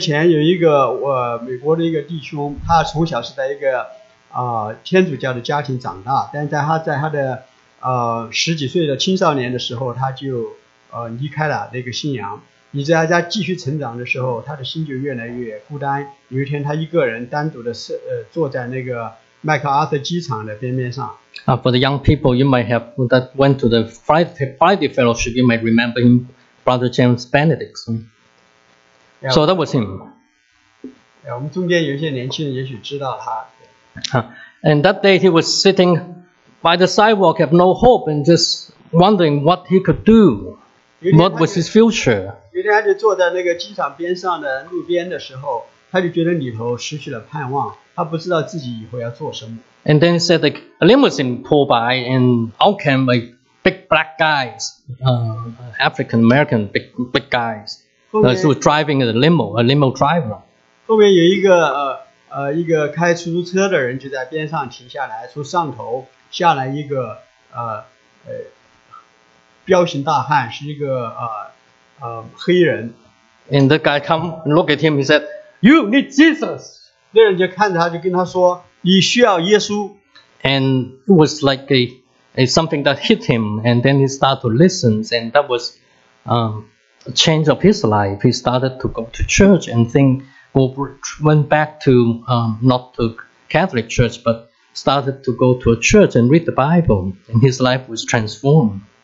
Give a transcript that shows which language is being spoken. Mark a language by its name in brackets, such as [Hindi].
[Chinese] 几年前有一个美国的一个弟兄, 他从小是在一个天主教的家庭长大, 但在他的 十几岁的青少年的时候他就离开了那个信仰, 你在他家继续成长的时候, 他的心就越来越孤单, 有一天他一个人单独的坐在那个麦克阿瑟机场的边边上。 [English] For the young people, you might have that went to the Friday Fellowship, you might remember him, Brother James Benedict. So that was him. [Chinese] 我们中间有一些年轻人也许知道他。 [English] And that day he was sitting by the sidewalk, have no hope, and just wondering what he could do, what was his future. [Chinese] 有一天他就坐在那个机场边上的路边的时候, 他就觉得里头失去了盼望, 他不知道自己以后要做什么。 [English] And then he said, a limousine pulled by, and out came a big black guy, African-American big guys, who was driving a limo driver. [Chinese] 后面有一个, 一个开出租车的人就在边上停下来,从上头, 下来一个彪形大汉, 是一个黑人。 [English] And the guy come look at him, he said, you need Jesus. [Chinese] 那人就看着他就跟他说, 你需要耶稣。 [English] And it was like a something that hit him, and then he started to listen, and that was a change of his life. He started to go to church and think, went back to not to Catholic church, but started to go to a church and read the Bible, and his life was transformed.